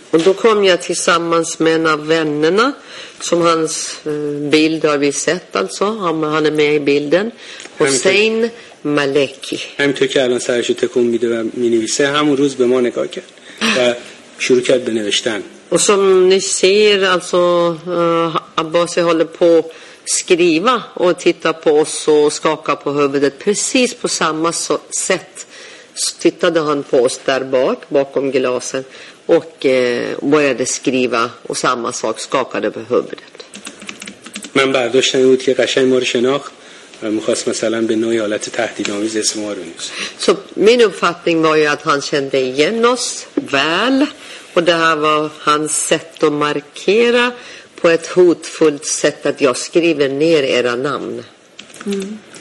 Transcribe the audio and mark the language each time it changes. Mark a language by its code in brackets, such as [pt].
[sv] Och då kom jag tillsammans med en av vännerna som hans bild har vi sett alltså. Han är med i bilden. Hossein Maleki. [fa] همینطور که الان سرش رو تکون میده و مینویسه همون روز به ما نگاه کرد و شروع کرد به نوشتن. [sv] Och som ni ser alltså Abbas håller på skriva och titta på oss och skaka på huvudet precis på samma sätt. Så tittade han på oss där bakom glasen och började skriva och samma sak skakade på huvudet. [fa] Men برداشتن بود که قشنگ ما رو شناخت و می‌خواست مثلا به نوعی حالت تهدیدآمیز اسم ما رو بنویسه. [sv] Så min uppfattning var ju att han kände igen oss väl och det här var hans sätt att markera på ett hotfullt sätt att jag skriver ner era namn. Mm.